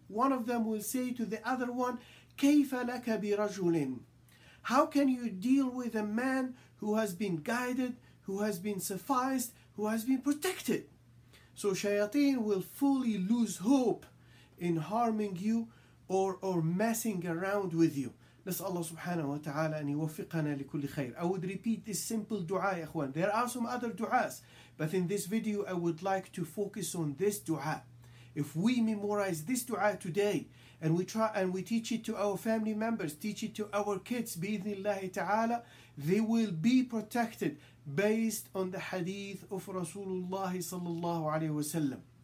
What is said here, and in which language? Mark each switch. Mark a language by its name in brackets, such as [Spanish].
[English] One of them will say to the other one, [Arabic] كَيْفَ لَكَ بِرَجُلٍ [English] How can you deal with a man who has been guided, who has been sufficed, who has been protected? So shayateen will fully lose hope in harming you or messing around with you. [Arabic] نسأل الله سبحانه وتعالى أن يوفقنا لكل خير. [English] I would repeat this simple dua, إخوان. There are some other duas. But in this video, I would like to focus on this dua. If we memorize this dua today, and we teach it to our family members, teach it to our kids, [Arabic] بإذن الله تعالى, [English] they will be protected based on the hadith of Rasulullah صلى الله عليه وسلم.